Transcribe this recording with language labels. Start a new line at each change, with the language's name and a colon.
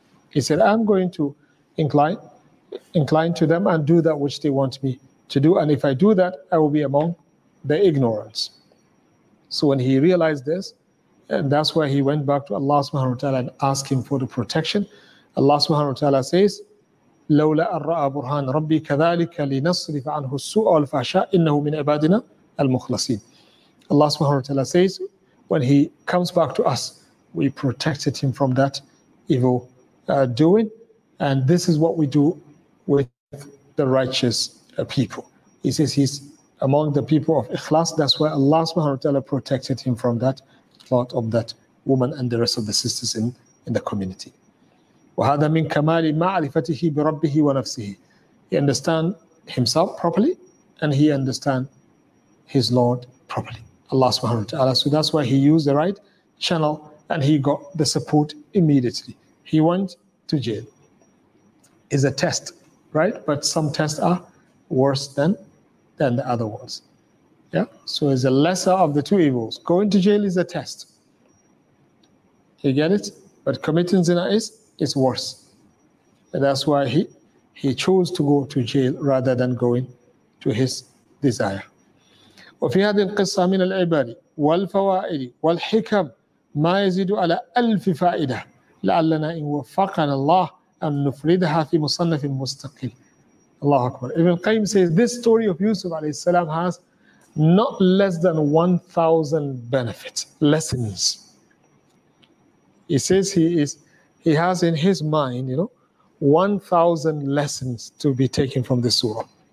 English: He said, I'm going to incline to them and do that which they want me to do, and if I do that, I will be among the ignorants. So when he realized this, and that's why he went back to Allah subhanahu wa ta'ala and asked him for the protection. Allah subhanahu wa ta'ala says,
Arabic: لَوْلَا أَرَّأَ بُرْهَانَ رَبِّي كَذَلِكَ لِنَصْرِفَ عَنْهُ السُّوءَ وَالْفَحْشَاءَ إِنَّهُ مِنْ عِبَادِنَا الْمُخْلَصِينَ.
English: Allah subhanahu wa ta'ala says, when he comes back to us, we protected him from that evil doing. And this is what we do with the righteous people. He says he's among the people of Ikhlas. That's why Allah subhanahu wa ta'ala protected him from that thought of that woman and the rest of the sisters in the community.
Arabic: وَهَذَا مِنْ كَمَالِ مَعْرِفَتِهِ بِرَبِّهِ وَنَفْسِهِ.
English: He understand himself properly and he understand his Lord properly, Allah subhanahu wa ta'ala. So that's why he used the right channel and he got the support immediately. He went to jail. It's a test, right? But some tests are worse than the other ones. Yeah, so it's a lesser of the two evils. Going to jail is a test. You get it? But committing zina is worse. And that's why he chose to go to jail rather than going to his desire.
Arabic: وفي هذه القصة من العبر والفوائد والحكم ما يزيد على ألف فائدة لعلنا إن وفقنا الله أن نفردها في مصنف مستقل.
English: Allahu Akbar. Ibn Qayyim says this story of Yusuf alayhi salam has not less than 1,000 benefits, lessons. He says he has in his mind, 1,000 lessons to be taken from this surah.